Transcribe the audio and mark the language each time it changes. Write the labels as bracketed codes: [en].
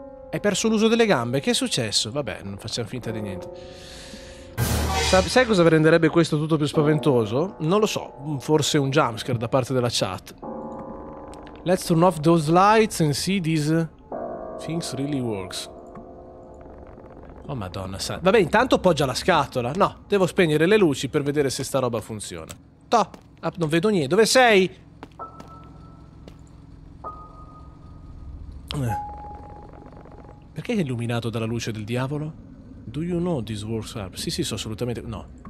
[it] Hai perso l'uso delle gambe, che è successo? Vabbè, non facciamo finta di niente. Sai cosa renderebbe questo tutto più spaventoso? Non lo so, forse un jumpscare da parte della chat. [en] Let's turn off those lights and see these things really works. [it] Oh madonna santa. Vabbè, intanto appoggia la scatola. No, devo spegnere le luci per vedere se sta roba funziona. Non vedo niente. Dove sei? Perché è illuminato dalla luce del diavolo? [en] Do you know this works up? [it] Sì, so assolutamente... No.